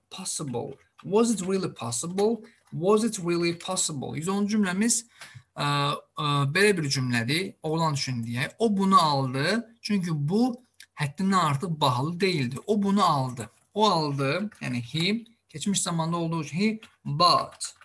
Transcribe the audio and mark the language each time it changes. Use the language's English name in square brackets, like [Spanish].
[English] Possible. Was it really possible? Was it really possible? 110. cümlemiz [Azerbaijani] Belə bir cümlədir, oğlan üçün deyək. O bunu aldı, çünki bu həddindən artıq bahalı deyildi. O bunu aldı. O aldı, yəni he, keçmiş zamanda olduğu üçün [English] he bought.